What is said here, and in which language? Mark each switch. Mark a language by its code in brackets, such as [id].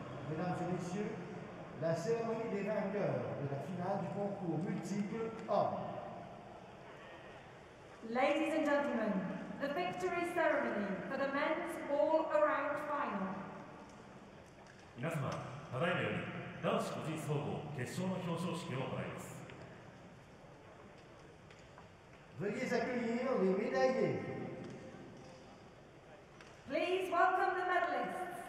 [fr] Mesdames et messieurs, la cérémonie des vainqueurs de la finale du concours multiple hommes. [en] Ladies and gentlemen, the victory ceremony for the men's all-around final. [ja] 皆様、ただいまより男子個人総合決勝の表彰式を行います。 [fr] Veuillez accueillir les médaillés. [en] Please welcome the medalists.